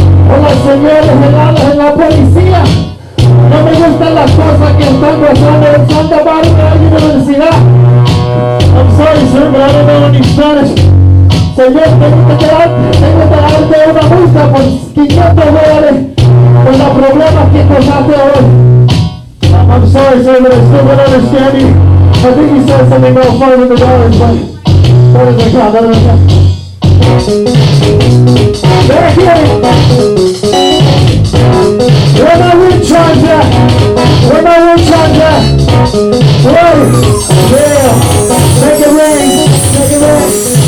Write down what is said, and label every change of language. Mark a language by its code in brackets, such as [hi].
[es] Hola, señores, en la policía. No me gustan las cosas que están pasando en Santa Bárbara y en la universidad. [en] I'm sorry, sir, but I don't know any Spanish. [es] Señor, tengo que darte una multa por $500 por los problemas que causaste hoy. [en] I'm sorry, sir, but I still don't understand you. I think he said something about $500, but what is it called? I don't know. They're here! Where am I with Chandra? Where am I with Chandra? Where? There! Make it rain! Make it rain!